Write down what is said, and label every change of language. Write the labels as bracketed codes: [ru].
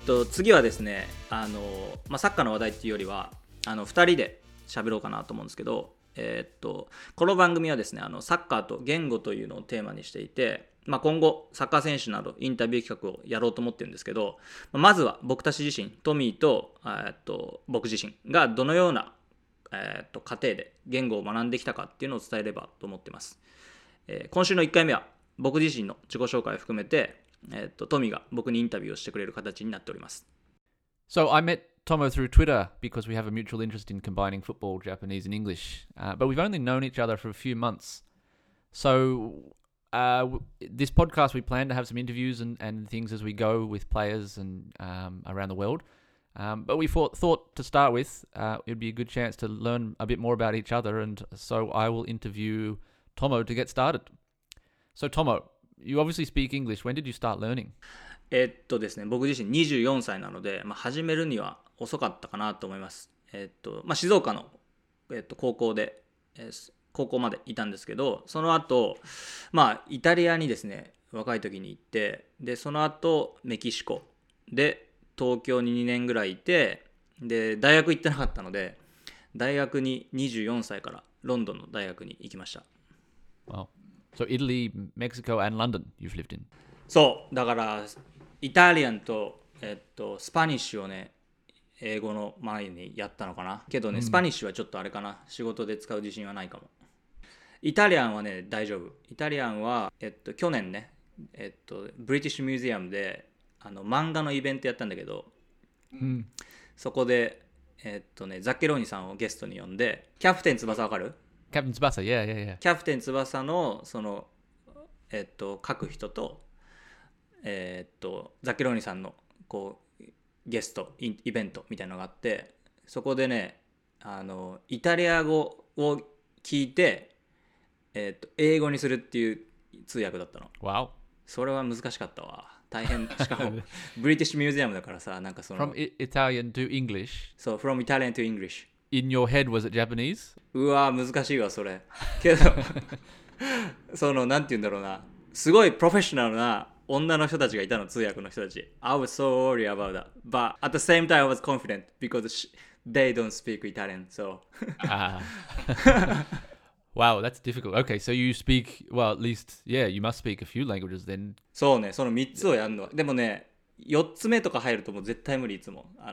[ja] 次はですね、まあ、サッカーの話題っていうよりは、2人で喋ろうかなと思うんですけど、この番組はですね、サッカーと言語というのをテーマにしていて、まあ、今後サッカー選手などインタビュー企画をやろうと思ってるんですけど、まずは僕たち自身、トミーと、僕自身がどのような、過程で言語を学んできたかっていうのを伝えればと思ってます。今週の1回目は僕自身の自己紹介を含めて、トミーが僕にインタビューをしてくれる形になっております。 [en] So I met Tomo through Twitter because we have a mutual interest in combining football, Japanese and English. But we've only known each other for a few months. So this podcast, we plan to have some interviews and things as we go with players and around the world. But we thought to start with, it'd be a good chance to learn a bit more about each other. And so I will interview Tomo to get started. So Tomo,You obviously speak English. When did you start learning? [ja] ですね、僕自身24歳なので、まあ、始めるには遅かったかなと思います。まあ、静岡の、高校で、高校までいたんですけど、その後、まあ、イタリアにですね、若い時に行って、で、その後、メキシコで、東京に2年ぐらいいて、で、大学行ってなかったので、大学に24歳からロンドンの大学に行きました。 [en] Wow. So Italy, Mexico, and London you've lived in. [ja] そう、だからイタリアンと、スパニッシュをね、英語の前にやったのかな。けどね、スパニッシュはちょっとあれかな。仕事で使う自信はないかも。イタリアンはね、大丈夫。イタリアンは、去年ね、ブリティッシュミュージアムで漫画のイベントやったんだけど、そこで、ザッケローニさんをゲストに呼んで、キャプテン翼わかる？ [en] キャプテン翼、yeah, yeah, yeah. [ja] キャプテン翼のその書く人とザキローニさんのこうゲストイベントみたいなのがあって、そこでね、イタリア語を聞いて英語にするっていう通訳だったの。 [en] Wow. [ja] それは難しかったわ。大変。しかもブリティッシュミュージアムだからさ、なんかその [en] From Italian to English. So from Italian to English. In your head, was it Japanese? [ja] うわ、難しいわそれ。けど、そのなんて言うんだろうな、すごいプロフェッショナルな女の人たちがいたの、通訳の人たち。 [en] I was so worried about that, but at the same time I was confident because they don't speak Italian. So. Wow, that's difficult. Okay, so you speak well at least. Yeah, you must speak a few languages then. [ja] そうね、その3つをやるの。でもね、4つ目とか入るともう絶対無理いつも。